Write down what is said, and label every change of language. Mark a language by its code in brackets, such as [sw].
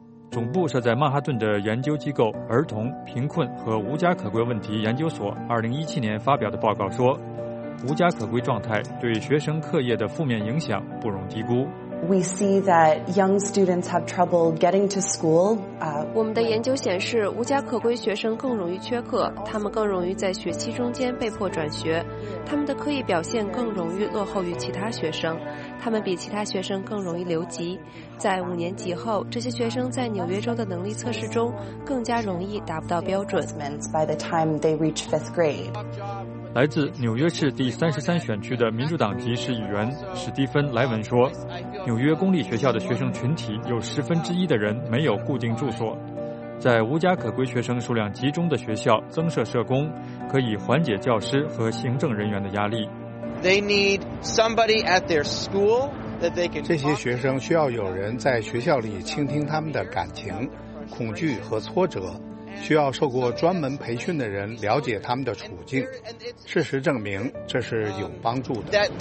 [zh] 总部设在曼哈顿的研究机构儿童贫困和无家可归问题研究所2017年发表的报告说，无家可归状态对学生课业的负面影响不容低估。 [en] We see that young students have trouble getting to school. [zh] 我们的研究显示，无家可归学生更容易缺课，他们更容易在学期中间被迫转学，他们的课业表现更容易落后于其他学生，他们比其他学生更容易留级。在5年级后，这些学生在纽约州的能力测试中更加容易达不到标准。 [en] By the time they reach fifth grade. [zh] 来自纽约市第33选区的民主党籍市议员史蒂芬·莱文说，纽约公立学校的学生群体有1/10的人没有固定住所，在无家可归学生数量集中的学校增设社工可以缓解教师和行政人员的压力。 [en] They need somebody at their school that they can... [zh] 这些学生需要有人在学校里倾听他们的感情、恐惧和挫折，需要受过专门培训的人了解他们的处境，事实证明这是有帮助的。